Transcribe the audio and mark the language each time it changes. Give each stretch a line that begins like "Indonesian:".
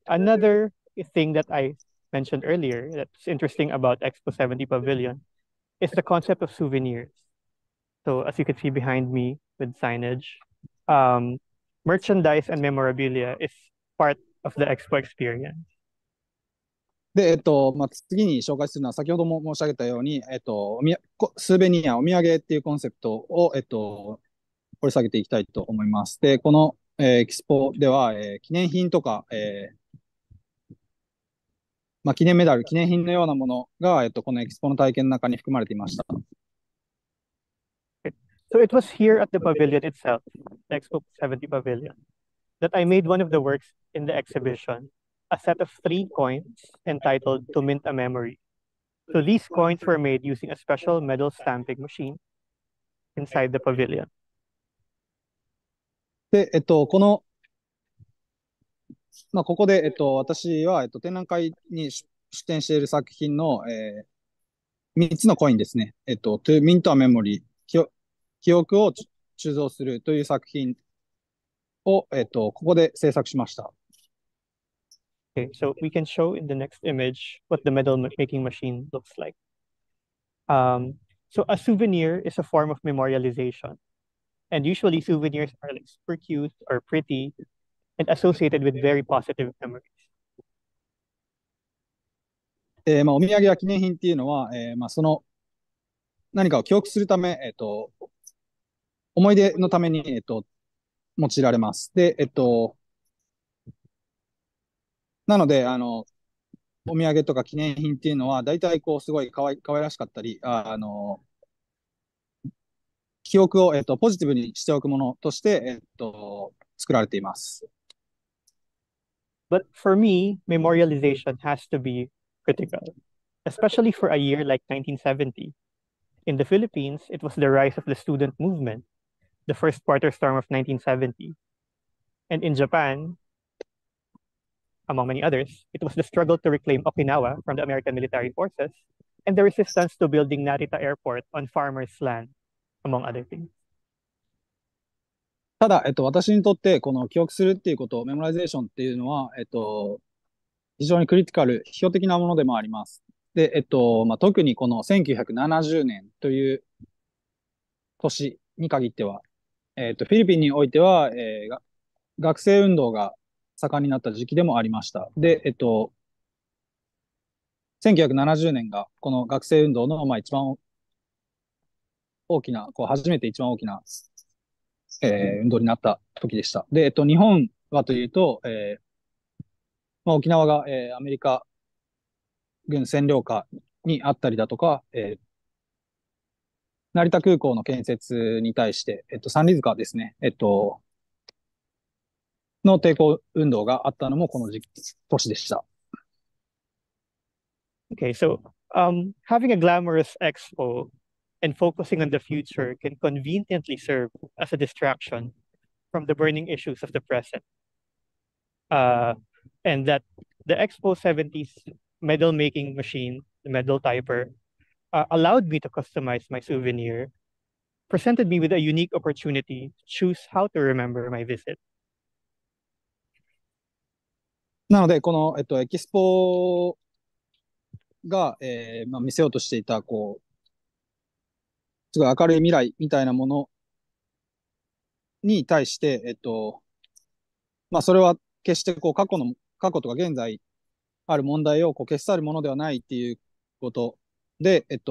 English: Another thing that I mentioned earlier that's interesting about Expo 70 Pavilion is the concept of souvenirs. So as you can see behind me with signage, merchandise and memorabilia is part of the Expo experience.
Japanese: で、まあ、次に紹介するのは先ほども申し上げたように、スーベニア、お土産っていうコンセプトを、掘り下げていきたいと思います。で、このエキスポでは、記念品とか、まあ、記念メダル、記念品のようなものが、このエキスポの体験の中に含まれていました。
English: So it was here at the pavilion itself, the Expo 70 pavilion, that I made one of the works in the exhibition, a set of three coins entitled To Mint a Memory. So these coins were made using a special metal stamping machine inside the pavilion.
Japanese: で、この、まあ、ここで、私は、展覧会に出展している作品の、3つのコインですね。 To Mint a Memory、記憶を鋳造するという作品を、ここで制作しました。
English: Okay, so we can show in the next image what the metal making machine looks like. So a souvenir is a form of memorialization. And usually souvenirs are like super cute or pretty and associated with very positive memories.
Japanese: まあ、お土産や記念品っていうのは、まあ、その何かを記憶するため、思い出のために、用いられます。で、なのであのお土産とか記念品っていうのは大体こうすごい可愛らしかったり記憶を、ポジティブにしておくものとして、作られています。
English: But for me, memorialization has to be critical, especially for a year like 1970. In the Philippines, it was the rise of the student movement, the first quarter storm of 1970. And in Japan, among many others, it was the struggle to reclaim Okinawa from the American military forces and the resistance to building Narita Airport on farmers' land, among other things.
Japanese: ただ、私にとってこの記憶するっていうこと、メモライゼーションっていうのは、非常にクリティカル、批評的なものでもあります。で、特にこの1970年という年に限っては、フィリピンにおいては、学生運動が盛んになった時期でもありました。で、1970年がこの学生運動の、まあ、一番大きな、こう初めて一番大きな、運動になった時でした。で、日本はというと、まあ、沖縄が、アメリカ軍占領下にあったりだとか、成田空港の建設に対して、三里塚ですね、の抵抗運動があったのもこの時期、年でした。
English: Okay, so, having a glamorous expo and focusing on the future can conveniently serve as a distraction from the burning issues of the present. And that the Expo 70's medal making machine, the medal typer, allowed me to customize my souvenir, presented me with a unique opportunity to choose how to remember my visit.
Japanese: なので、この、エキスポが、まあ、見せようとしていた、こう、すごい明るい未来みたいなものに対して、まあ、それは決して、こう、過去とか現在ある問題を、こう、消し去るものではないっていうことで、